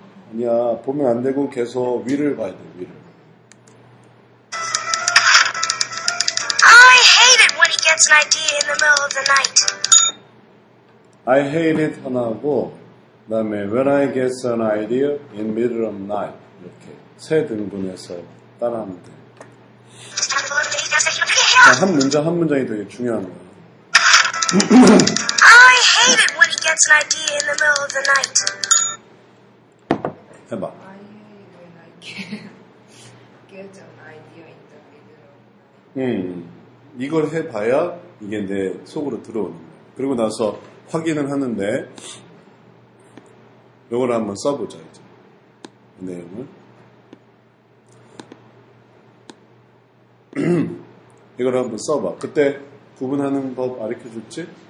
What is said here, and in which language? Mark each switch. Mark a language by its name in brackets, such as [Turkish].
[Korean] 아니야, 보면 안 되고 계속 위를 봐야 돼, 위를. [English] I hate it when he gets an idea in the middle of the night. I hate it [Korean] 하나고, 그 다음에 [English] when I get an idea in middle of night. [Korean] 이렇게 세 등분해서 따라하면 돼. 아, 한 문장, 한 문장이 되게 중요한 거야. [English] I hate it when he gets an idea in the middle of the night. [Korean] 해봐. [English] I hate when I get an idea in the middle of the night. [Korean] 이걸 해봐야 이게 내 속으로 들어오는 거야. 그리고 나서 확인을 하는데 요걸 한번 써보자 이제 이 내용을 이걸 한번 써봐 그때 구분하는 법 가르쳐줄지?